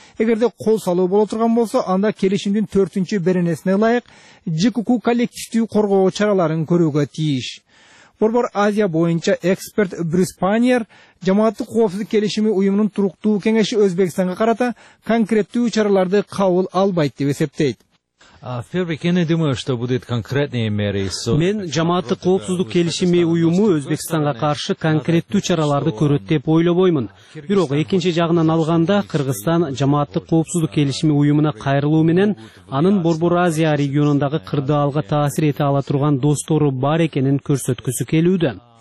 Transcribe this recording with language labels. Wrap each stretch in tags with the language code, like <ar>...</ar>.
<ky>Эгерде кол салуу боло турган болсо, анда келишимдин 4-чү беренесине ылайык ЖКК коллективдүү коргоо чараларын көрүүгө тийиш. Борбор Азия боюнча эксперт Брюс Паниер жамааттык коопсуздук келишими уюмунун туруктуу кеңеши Өзбекстанга карата конкреттүү чараларды кабыл албайт деп эсептейт.</ky> <ru>Фербик, я не думаю, что будет конкретные меры.</ru> <ky>Мен жамааттык коопсуздук келишими уюму Өзбекстанга каршы конкреттүү чараларды көрөт деп ойлобоймун. Бирок экинчи жагынан алганда, Кыргызстан жамааттык коопсуздук келишими уюмуна кайрылуу менен анын Борбор Азия региондагы кырдаалга таасир эте ала турган достору бар экенин көрсөткүсү келүүдө.</ky>